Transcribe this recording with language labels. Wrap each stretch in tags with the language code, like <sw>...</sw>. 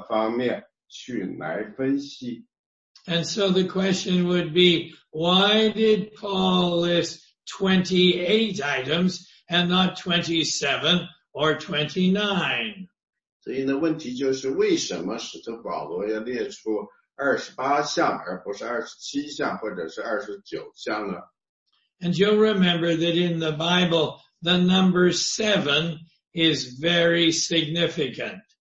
<zh>因为圣经是一个非常有趣的一本书，你可以从各个方面去来分析。</zh> <en>And so the question would be, why did Paul list 28 items and not 27 or 29?</en> <zh>所以呢，问题就是为什么使徒保罗要列出28项，而不是27项或者是29项呢？</zh> <en>And you'll remember that in the Bible, the number 7 is very significant.</en>